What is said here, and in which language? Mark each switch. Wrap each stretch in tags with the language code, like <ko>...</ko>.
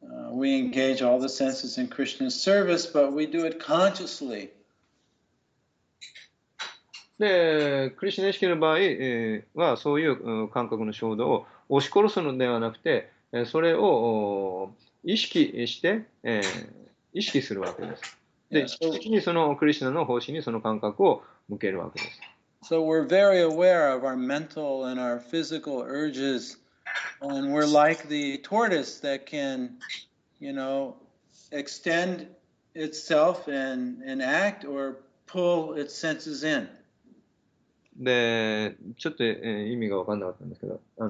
<en>We engage all the senses in Krishna's service, but we do it consciously.</en> <ja>で、クリシナ意識の場合はそういう感覚の衝動を押し殺すのではなくて、それを意識して、意識するわけです。で、意識的にそのクリシナの方針にその感覚を向けるわけです。</ja> <en>So we're very aware of our mental and our physical urges, and we're like the tortoise that can, you know, extend itself and act or pull its senses in.</en> <ja>で、ちょっと意味が分かんなかったんですけど、</ja>